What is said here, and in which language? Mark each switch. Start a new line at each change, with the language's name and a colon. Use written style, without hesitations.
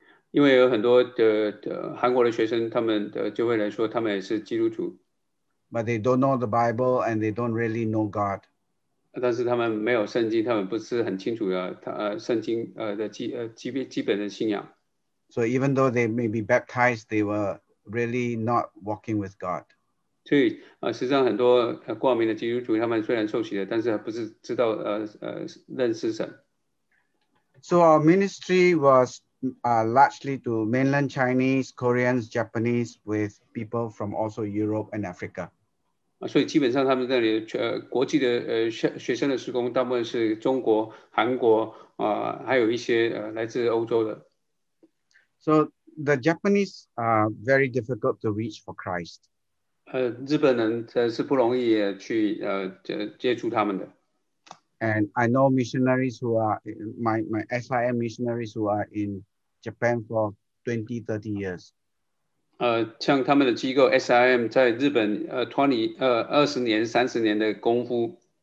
Chinese: 因为有很多的韩国的学生，他们就会来说他们也是基督徒。
English: But they don't know the Bible and they don't really know God.
Chinese: 但是他们没有圣经，他们不是很清楚圣经的基本的信仰。
English: So even though they may be baptized, they were really not walking with God.
Chinese: 所以实际上很多挂名的基督徒，他们虽然受洗了，但是不是知道认识神。
English: So our ministry was largely to mainland Chinese, Koreans, Japanese, with people from also Europe and Africa.
Chinese: 所以基本上他们那里国际的学生的施工，大部分是中国、韩国还有一些来自欧洲的。
English: So the Japanese are very difficult to reach for Christ.
Chinese: 日本人是不容易去接触他们的。
English: And I know missionaries who are, my SIM missionaries who are in Japan for 20, 30 years.
Chinese: 像他们的机构 SIM在日本20年、30年的功夫。